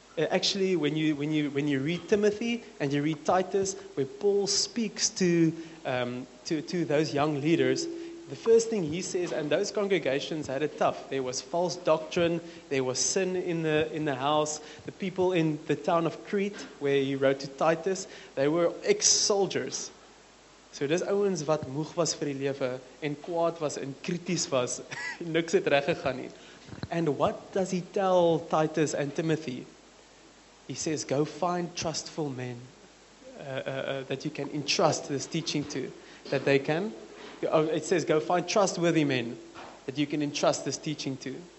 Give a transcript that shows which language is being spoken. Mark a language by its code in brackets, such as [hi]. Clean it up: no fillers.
[en] Actually, when you read Timothy and you read Titus, where Paul speaks to those young leaders, the first thing he says, and those congregations had it tough. There was false doctrine. There was sin in the house. The people in the town of Crete, where he wrote to Titus, they were ex-soldiers. [af] So dis ouens wat moeg was vir die lewe en kwaad was en krities was, niks het reg gegaan nie. [en] And what does he tell Titus and Timothy? He says, go find trustful men that you can entrust this teaching to, that they can. It says, go find trustworthy men that you can entrust this teaching to.